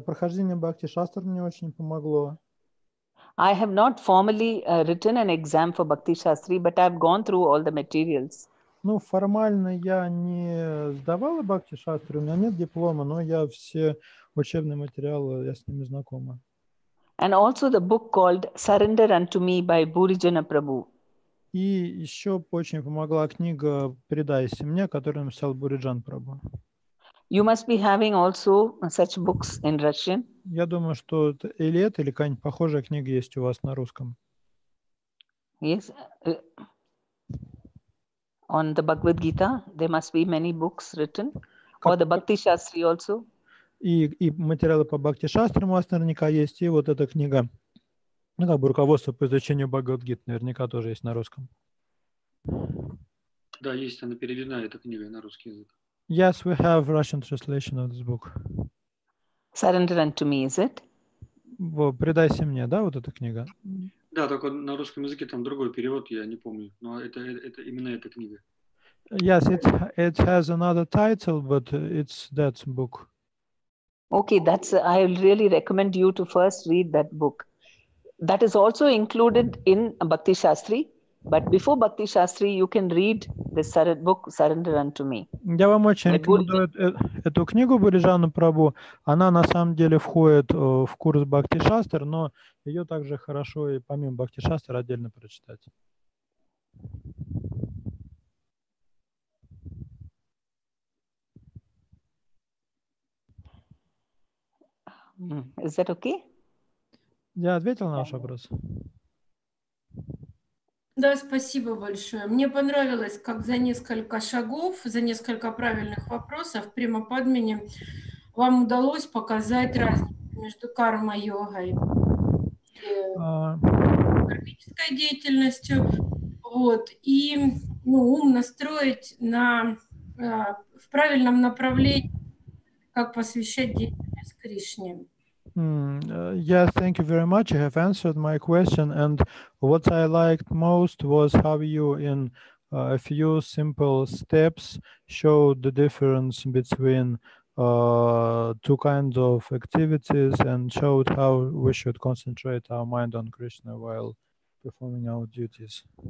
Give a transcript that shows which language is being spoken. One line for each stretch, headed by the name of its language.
Russian: Прохождение Бхакти Шастри мне очень помогло.
English: I have not formally written an exam for Bhakti Shastri, but I've gone through all the materials.
Russian: Ну, формально я не сдавал Бхакти Шастри, у меня нет диплома, но я все учебные материалы, я с ними знакома.
English: And also the book called Surrender Unto Me by Bhurijana Prabhu.
Russian: И еще очень помогла книга «Предайся мне», которую написал Бхуриджан Прабху.
English: You must be having also such books in Russian.
Russian: Я думаю, что это, или какая-нибудь похожая книга есть у вас на русском.
English: Yes. On the Bhagavad Gita, there must be many books written. Or the Bhakti Shastri also.
Russian: И материалы по Бхакти Шастри у вас наверняка есть, и вот эта книга. Ну, как бы руководство по изучению Бхагавад-гиты наверняка тоже есть на русском. Да, есть, она переведена, эта книга, на русский язык.
English: Yes, we have Russian translation of this book. Surrender Unto Me, is it?
Russian: «Предайся мне», да, вот эта книга? Да, только на русском языке там другой перевод, я не помню, но это именно эта книга.
English: Yes, it has another title, but it's that book. Okay, I really recommend you to first read that book. That is also included in Bhakti Shastri, but before Bhakti Shastri, you can read this book, Surrender Unto Me.
Russian: Я вам очень рекомендую эту книгу Бхуриджана Прабху. Она на самом деле входит в курс Бхакти Шастри, но ее также хорошо и помимо Бхакти Шастри отдельно прочитать.
English: Is that okay?
Russian: Я ответил на ваш вопрос? Да, спасибо большое. Мне понравилось, как за несколько шагов, за несколько правильных вопросов Према Падмини вам удалось показать разницу между карма-йогой и кармической деятельностью. Вот, и ну, ум настроить на, в правильном направлении, как посвящать деятельность Кришне.
English: Yeah, thank you very much. You have answered my question. And what I liked most was how you, in a few simple steps, showed the difference between two kinds of activities and showed how we should concentrate our mind on Krishna while performing our duties.